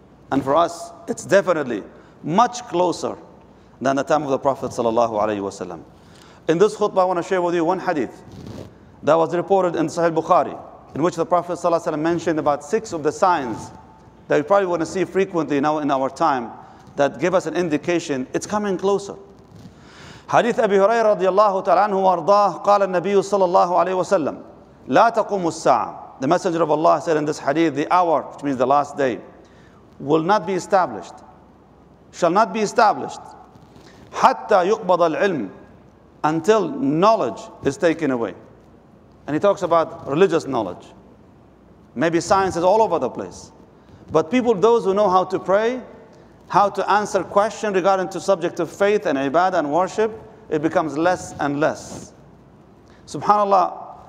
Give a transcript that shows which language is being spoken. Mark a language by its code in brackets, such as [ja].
[en] And for us, it's definitely much closer than the time of the Prophet sallallahu alaihi wasallam. In this khutbah, I want to share with you one hadith that was reported in Sahih Bukhari, in which the Prophet sallallahu alaihi wasallam mentioned about six of the signs that we probably want to see frequently now in our time that give us an indication it's coming closer. [ar] حديث أبي هريرة رضي الله تعالى عنه وارضاه قال النبي صلى الله عليه وسلم لا تقوم الساعة. [en] The Messenger of Allah said in this hadith, the hour, which means the last day, will not be established, shall not be established, [ar] حتى يقبض العلم, [en] until knowledge is taken away. And he talks about religious knowledge. Maybe science is all over the place, but people, those who know how to pray, how to answer questions regarding to subject of faith and ibadah and worship, it becomes less and less. Subhanallah.